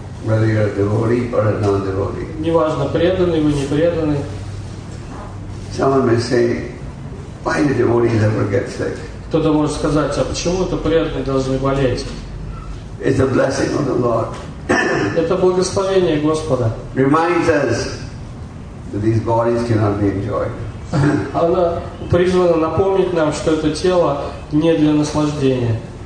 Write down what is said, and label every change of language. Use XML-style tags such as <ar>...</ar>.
<en>Whether you're a devotee or a non-devotee.</en> <ru>Неважно, преданный вы, не преданный.</ru> <en>Someone may say, why do devotees ever get sick?</en> <ru>Кто-то может сказать, а почему это преданные должны болеть?</ru> <en>It's a blessing of the Lord.</en> <ru>Это благословение Господа.</ru> <en>Reminds us that these bodies cannot be enjoyed.</en> <ru>Она призвана напомнить нам, что это тело не для наслаждения.</ru>